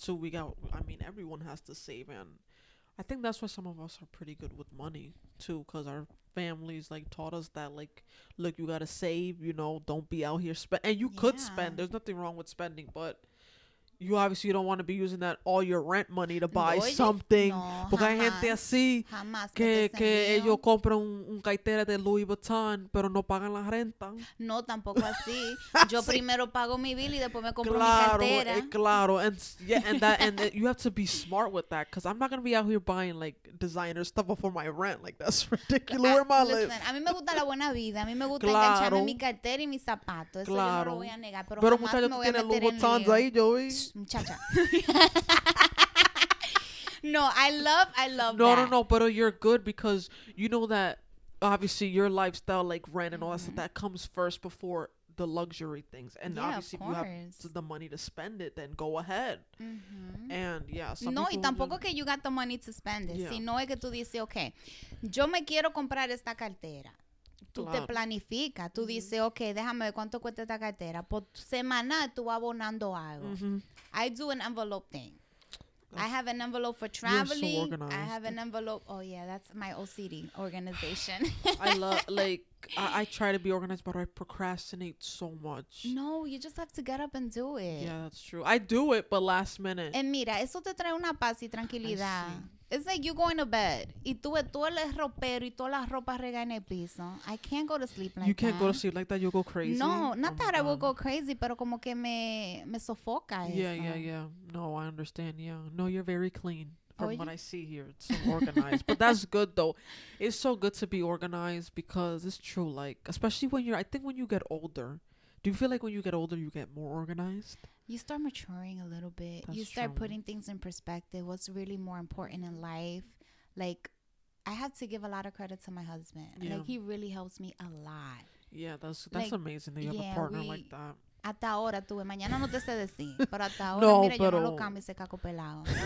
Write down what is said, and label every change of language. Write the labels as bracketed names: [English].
[English] So we got, I mean, everyone has to save. And I think that's why some of us are pretty good with money, too. Because our families, like, taught us that, like, look, you got to save, you know, don't be out here spend. And you could spend. There's nothing wrong with spending, but... You obviously don't want to be using that all your rent money to buy something. [Spanish] No, porque jamás, hay gente así que ellos compran un cartera de Louis Vuitton, pero no pagan la renta. No, tampoco así. Yo primero pago mi bill y después me compro mi cartera. Claro, [English] and you have to be smart with that, because I'm not going to be out here buying, like, designer stuff before my rent. Like, that's ridiculous. Where am I living? [Spanish] A mí me gusta la buena vida. A mí me gusta engancharme mi cartera y mi zapato. Eso yo no lo voy a negar. Pero jamás muchachos, me voy a meter Louis Vuitton ahí, Joey. Muchacha. [English] No, I love [Spanish] no, [English] that. No, but you're good, because you know that obviously your lifestyle, like rent and all that stuff, that comes first before the luxury things. And yeah, obviously if you have the money to spend it, then go ahead. And yeah, some [Spanish] no, y tampoco que [English] you got the money to spend it. [Spanish] Yeah. Si no es que tú dices, okay, yo me quiero comprar esta cartera. Tú te planifica, tú dices, ok, déjame ver cuánto cuesta esta cartera. Por semana tú vas abonando algo. [English] I do an envelope thing. I have an envelope for traveling. You're so organized. I have an envelope. Oh, yeah, that's my OCD organization. I love, like, I try to be organized, but I procrastinate so much. No, you just have to get up and do it. Yeah, that's true. I do it, but last minute. [Spanish] And mira, eso te trae una paz y tranquilidad. [English] It's like you're going to bed. [Spanish] Y tuve todo el ropero y toda la ropa regada en el piso. [English] I can't go to sleep like that. You can't go to sleep like that. You'll go crazy. No, not that I will go crazy, [Spanish] pero como que me sofoca. [English] Yeah, yeah, yeah. No, I understand. Yeah. No, you're very clean from what I see here. It's so organized. But that's good, though. It's so good to be organized because it's true. Like, especially when you're, I think when you get older. Do you feel like when you get older, you get more organized? You start maturing a little bit. That's you start true. Putting things in perspective. What's really more important in life? Like, I have to give a lot of credit to my husband. Yeah. Like, he really helps me a lot. Yeah, that's like, amazing that you have a partner like that. [Spanish] Hasta ahora tuve. Mañana no te sé decir. Pero hasta ahora, no, mira, pero yo no lo cambio ese caco pelado.